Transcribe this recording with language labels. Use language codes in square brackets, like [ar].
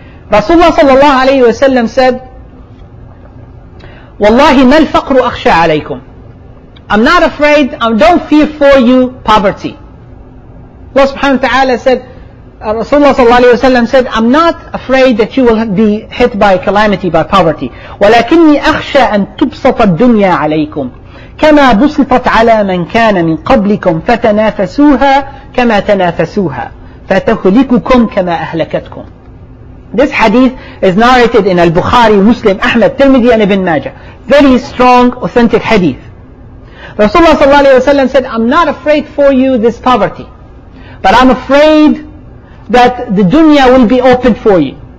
[en] Rasulullah sallallahu alayhi wa sallam said, [ar] وَاللَّهِ مَا الْفَقْرُ أَخْشَى عَلَيْكُمْ, [en] I'm not afraid, I don't fear for you poverty. Allah subhanahu wa ta'ala said, Rasulullah sallallahu alayhi wa sallam said, I'm not afraid that you will be hit by calamity, by poverty. [ar] وَلَكِنِّي أَخْشَى أَن تُبْسَطَ الدُّنْيَا عَلَيْكُمْ كما بسطت على من كان من قبلكم فتنافسوها كما تنافسوها فتهلككم كما أهلكتكم. [en] This hadith is narrated in Al-Bukhari, Muslim, Ahmad, Tirmidhi and Ibn Majah. Very strong, authentic hadith. Rasulullah sallallahu alayhi wa sallam said, I'm not afraid for you this poverty, but I'm afraid that the dunya will be open for you.